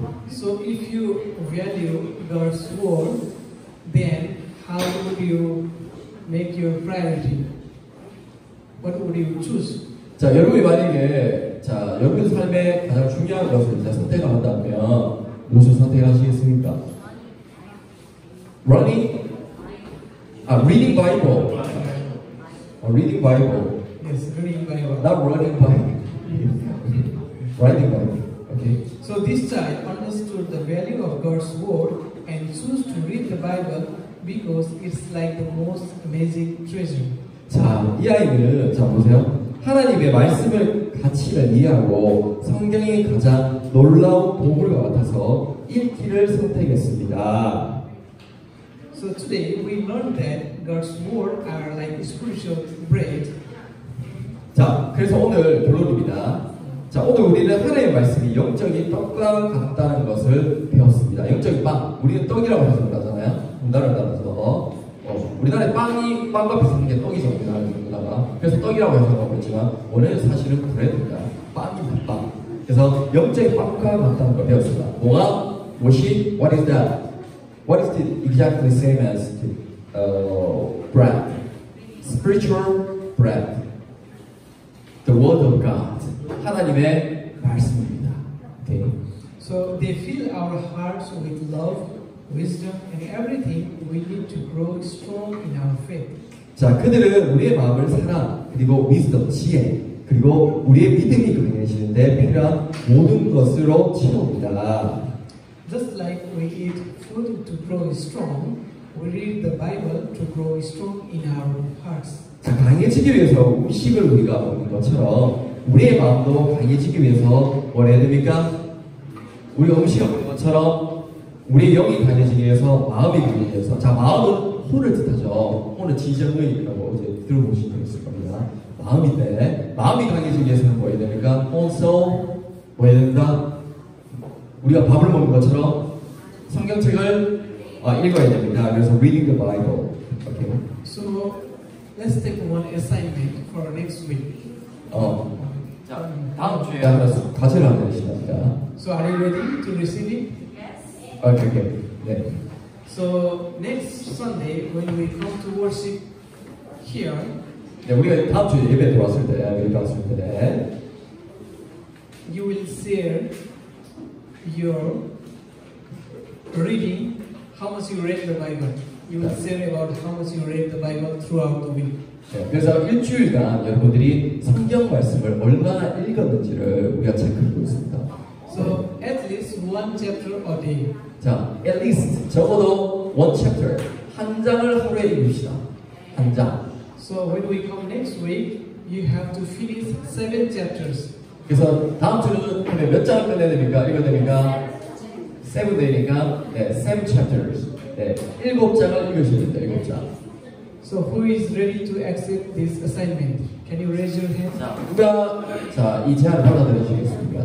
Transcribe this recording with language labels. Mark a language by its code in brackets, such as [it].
[en] So if you value God's word, then how would you make your priority? What would you choose? [ko] 자, 여러분이 만약에 자, 여러분 삶에 가장 중요한 것을 이제 선택을 한다면 무엇을 선택하시겠습니까? [en] Running? Reading Bible. Reading Bible. Yes, reading Bible. Not running Bible. Writing Bible. Okay. So this child understood the value of God's word and chose to read the Bible because it's like the most amazing treasure. [ko] 자, 이 아이는 자 보세요. 하나님의 말씀을 가치를 이해하고 성경이 가장 놀라운 보물과 같아서 읽기를 선택했습니다. [en] So today we learned that God's word are like spiritual bread. [ko] 자, 그래서 오늘 결론입니다. 자, 오늘 우리는 하나님의 말씀이 영적인 떡과 같다는 것을 배웠습니다. 영적인 빵, 우리는 떡이라고 생각하잖아요. 문단을 따라서 우리나라의 빵이 빵과 비슷한 게 떡이죠. 그래서 떡이라고 해석하고 있지만 원래는 사실은 브레드입니다. 빵입니다. 빵. 그래서 영적인 빵과 같다는 걸 배웠습니다. [en] 뭐가? What is? What is that? What is it exactly same as the, bread? Spiritual bread. The word of God. [ko] 하나님의 말씀입니다. Okay. [en] So they fill our hearts with love, wisdom, and everything we need to grow strong in our faith. [ko] 자, 그들은 우리의 마음을 사랑, 그리고 wisdom, 지혜, 그리고 우리의 믿음이 강해지는데 필요한 모든 것으로 채웁니다. [en] Just like we eat food to grow strong, we read the Bible to grow strong in our hearts. [ko] 자, 강해지기 위해서 음식을 우리가 먹는 것처럼 우리의 마음도 강해지기 위해서 뭘 해야 됩니까? 우리 음식을 먹는 것처럼 우리의 영이 강해지기 위해서 마음이 강해져서 자, 마음은 혼을 뜻하죠. 혼은 지정의라고 이제 들어보실 수 있을 겁니다. 마음인데 마음이 강해지기 위해서는 뭐 해야 됩니까? 혼소 뭐 해야 된다? 우리가 밥을 먹는 것처럼 성경책을 읽어야 됩니다. [en] 그래서 reading the Bible. Okay. So let's take one assignment for next week. [ko] 자, 다음 주에 하나 과제를 하나 드리겠습니다. [en] So are you ready to receive it? Yes. Okay. Okay. 네. So next Sunday when we come to worship here. [ko] 네, 우리가 다음 주에 예배 들어왔을 때, 예배 들어왔을 때, [en] you will share your reading, how much you read the Bible. You will share about how much you read the Bible throughout the week. [ko] 네, 그래서 일주일간 여러분들이 성경 말씀을 얼마나 읽었는지를 우리가 체크하고 있습니다. [en] So at least one chapter a day. [ko] 자, at least 적어도 [en] one chapter [ko] 한 장을 하루에 읽읍시다. 한 장. [en] So when we come next week, you have to finish 7 chapters. [ko] 그래서 다음 주는 그러면 몇 장을 끝내야 됩니까? 읽어야 됩니까? 7 되니까 네, 7 chapters. 네, 일곱 장을 읽으시는데 일곱 장. [en] So who is ready to accept this assignment? Can you raise your hand? [ko] 자, 누가 자, 이 제안을 받아들이시겠습니까?